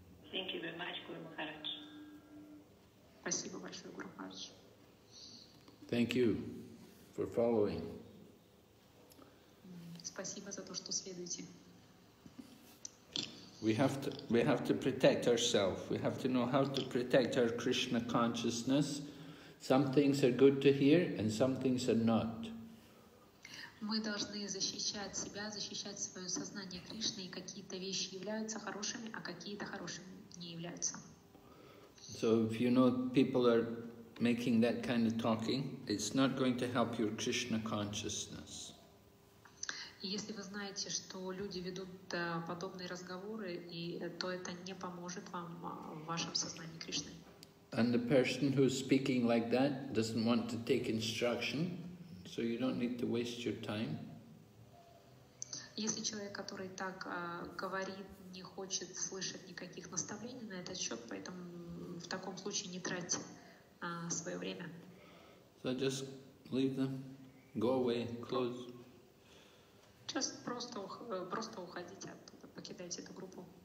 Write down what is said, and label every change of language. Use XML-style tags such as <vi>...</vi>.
<en>Thank you very much, Guru Maharaj. Thank you for following.</en> <ru>Спасибо за то, что следуете.</ru> <en>We have to protect ourselves. We have to know how to protect our Krishna consciousness. Some things are good to hear, and some things are not.</en> <ru>Мы должны защищать себя, защищать свое сознание Кришны, и какие-то вещи являются хорошими, а какие-то хорошими не являются.</ru> <en>So if you know people are making that kind of talking, it's not going to help your Krishna consciousness.</en> <ru>Если вы знаете, что люди ведут подобные разговоры, и то это не поможет вам в вашем сознании Кришны.</ru> <en>And the person who's speaking like that doesn't want to take instruction. So you don't need to waste your time.</en> <ru>Если человек, который так говорит, не хочет слышать никаких наставлений на этот счет, поэтому в таком случае не тратьте свое время.</ru> <en>So just leave them, go away, close. Just</en> <ru>просто уходите оттуда, покидайте эту группу.</ru>